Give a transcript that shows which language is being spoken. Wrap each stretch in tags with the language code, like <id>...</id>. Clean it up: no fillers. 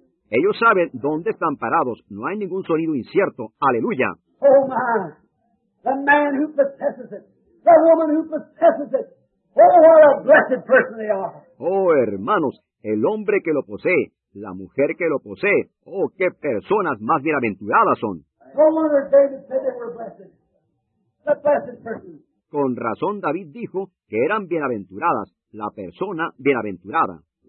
<es>Ellos saben dónde están parados. No hay ningún sonido incierto. ¡Aleluya!</es> <en>Oh, my. The man who possesses it. The woman who possesses it. Oh, what a blessed person they are.</en> <es>Oh, hermanos, el hombre que lo posee, la mujer que lo posee, oh, qué personas más bienaventuradas son.</es> <en>No wonder David said they were blessed. The blessed person.</en> <es>Con razón David dijo que eran bienaventuradas, la persona bienaventurada.</es>